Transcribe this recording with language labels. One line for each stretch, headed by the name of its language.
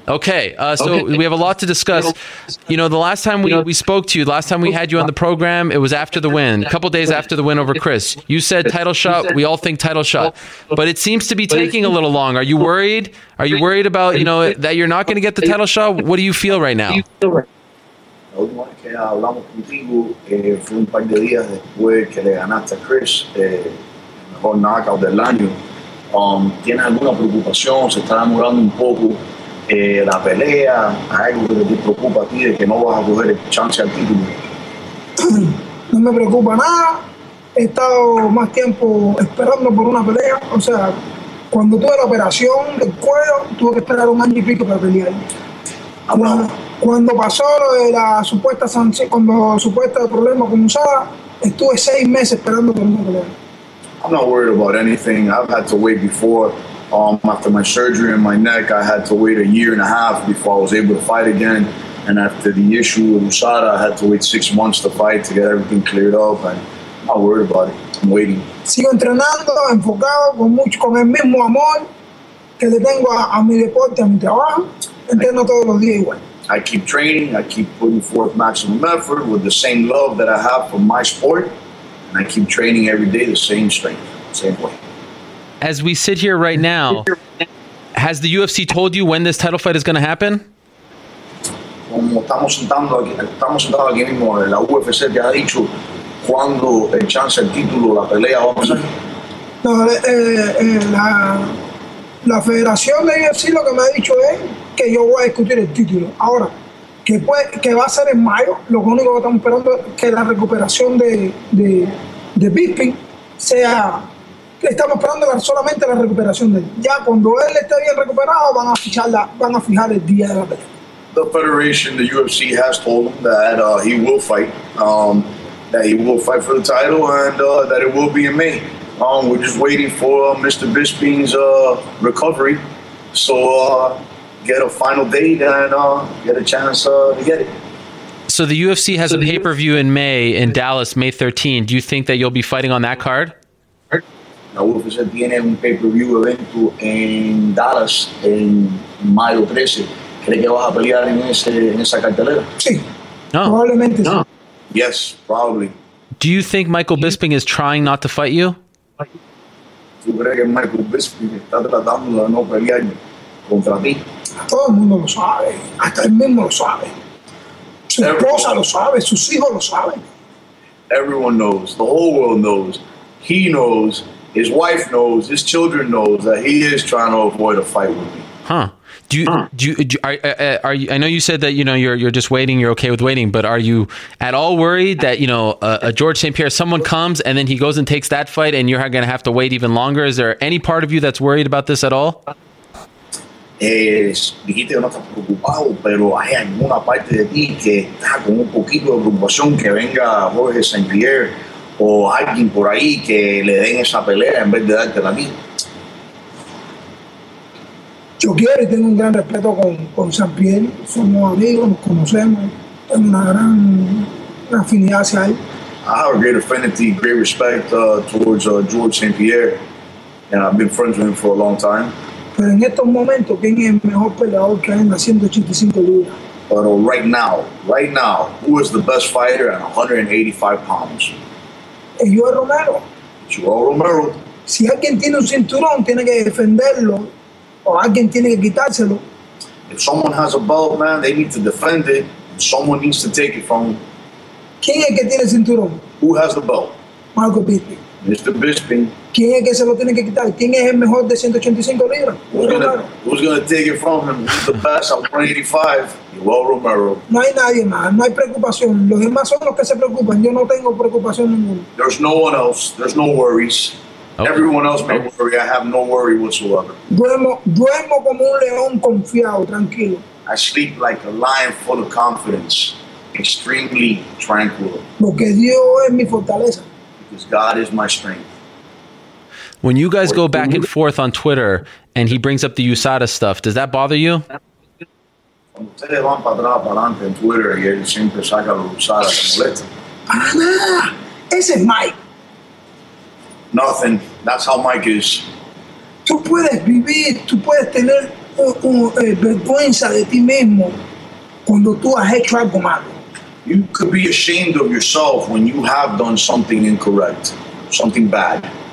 English: Okay. We have a lot to discuss. You know, the last time we spoke to you, the last time we had you on the program, it was after the win, a couple days after the win over Chris. You said title shot. We all think title shot. But it seems to be taking a little long. Are you worried? Are you worried about, you know, that you're not going to get the title shot? What do you feel right now?
Spanish: La última vez que hablamos contigo fue un par de días después que le ganaste a Chris, mejor knockout del año. ¿Tienes alguna preocupación? ¿Se está demorando un poco la pelea? ¿Hay algo que te preocupa a ti de que no vas a coger el chance al título? No me preocupa nada. He estado más tiempo esperando por una pelea. O sea, cuando tuve la operación del cuello, tuve que esperar un año y pico para pelear. Cuando pasó lo de la supuesta sanción, cuando supuesta problema con Usada, estuve 6 meses esperando por una pelea.
English: I'm not worried about anything. I've had to wait before. After my surgery in my neck, I had to wait a year and a half before I was able to fight again. And after the issue with Usada, I had to wait 6 months to fight to get everything cleared up. And I'm not worried about it. I'm waiting.
Spanish: Sigo entrenando, enfocado, con el mismo amor que le tengo a mi deporte, a mi trabajo. Entreno todos los días igual.
English: I keep training, I keep putting forth maximum effort with the same love that I have for my sport, and I keep training every day the same strength, same way. As we sit here right now, has the UFC told you when this title fight is going to happen?
Spanish: Como estamos sentados aquí mismo, la UFC te ha dicho cuando el chance el título, la pelea, va a pasar. No, la federación de UFC lo que me ha dicho es que yo voy a discutir el título. Ahora, que va a ser en mayo, lo único que estamos esperando es que la recuperación de Bisping sea... Estamos esperando solamente la recuperación de él. Ya cuando él esté bien recuperado, van a fijar el día de la pelea.
English: The federation, the UFC, has told him that he will fight. That he will fight for the title and that it will be in May. We're just waiting for Mr. Bisping's recovery. So... get a final date and get a chance to get it. So the UFC has a pay-per-view in May in Dallas, May 13. Do you think that you'll be fighting on that card?
Spanish: La UFC tiene un pay-per-view evento en Dallas en mayo 13. ¿Crees que vas a pelear en ese en esa cartelera? Sí. No. Probablemente no.
English: Yes, probably. Do you think Michael Bisping is trying not to fight you?
Spanish: ¿Tú crees que Michael Bisping está tratando de no pelear contra ti? Todo el mundo lo sabe. Hasta él mismo lo sabe. Su esposa lo sabe. Sus hijos lo saben.
English: Everyone knows. The whole world knows. He knows. His wife knows. His children knows that he is trying to avoid a fight with me. Huh. Are you, I know you said that, you know, you're just waiting, you're okay with waiting, but are you at all worried that, you know, a George St. Pierre, someone comes and then he goes and takes that fight and you're going to have to wait even longer? Is there any part of you that's worried about this at all?
Spanish: Es, dijiste que no estás preocupado, pero hay alguna parte de ti que está con un poquito de preocupación que venga Jorge St. Pierre o alguien por ahí que le den esa pelea en vez de darte la mía. Yo quiero y tengo un gran respeto con San Pierre. Somos amigos, nos conocemos. Tengo una gran afinidad hacia él.
English: I have a great affinity, great respect towards George St. Pierre. And I've been friends with him for a long time.
Spanish: Pero en estos momentos, ¿quién es el mejor peleador que hay en 185 libras?
English: But right now, who is the best fighter at 185 pounds?
Spanish: Es Joel Romero.
English: Joel Romero.
Spanish: Si alguien tiene un cinturón, tiene que defenderlo. O alguien tiene que quitárselo.
English: If someone has a belt, man, they need to defend it. Someone needs to take it from him.
Spanish: ¿Quién es que tiene el cinturón?
English: Who has the belt?
Spanish: Marco Bisping.
English: Mr. Bisping.
Spanish: ¿Quién es que se lo tiene que quitar? ¿Quién es el mejor de 185 libras?
English: Who's going to take it from him? Who's the best at 185? Joel Romero.
Spanish: No hay nadie más. No hay preocupación. Los demás son los que se preocupan. Yo no tengo preocupación ninguna.
English: There's no one else. There's no worries. Okay. Everyone else may worry. I have no worry whatsoever.
Spanish: Duermo como un león confiado, tranquilo.
English: I sleep like a lion full of confidence, extremely tranquil.
Spanish: Porque Dios es mi fortaleza.
English: Because God is my strength. When you guys go back and forth on Twitter and he brings up the USADA stuff, does that bother you?
Spanish: Cuando ustedes van para atrás, para adelante en Twitter y él siempre saca la USADA completa. Para nada. Ese es Mike.
English: Nothing. That's how Mike is.
Spanish: Tú puedes vivir, tú puedes tener vergüenza de ti mismo cuando tú has hecho algo malo.
English: You could be ashamed of yourself when you have done something incorrect, something bad.